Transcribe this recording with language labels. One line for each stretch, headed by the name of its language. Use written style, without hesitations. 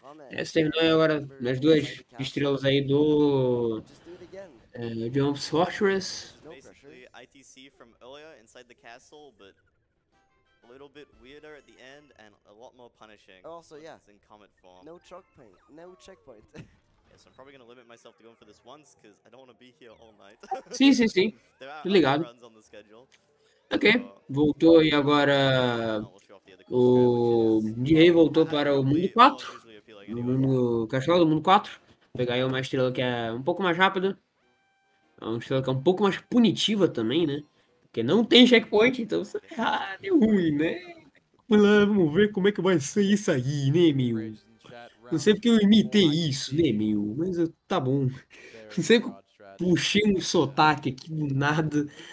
Portuguese: É, terminou aí agora as duas estrelas aí do Jump Fortress.
English: ITC from earlier inside the castle, but a little bit weirder at the end and a lot more punishing. Also, yeah. In comet form. No checkpoint. No checkpoint. Yeah, so I'm probably going to limit myself to going for this once because I don't want to be here all night.
Portuguese: Sim, sim, sim. Tô ligado.
English: Runs on the schedule.
Portuguese: Ok, voltou aí agora o DJ, voltou para o mundo 4, o mundo castelo do mundo 4, vou pegar aí uma estrela que é um pouco mais rápida, é uma estrela que é um pouco mais punitiva também, né, porque não tem checkpoint, então você é ruim, né, vamos ver como é que vai ser isso aí, né, meu, não sei porque eu imitei isso, né, meu, mas tá bom, não sei porque eu puxei um sotaque aqui do nada.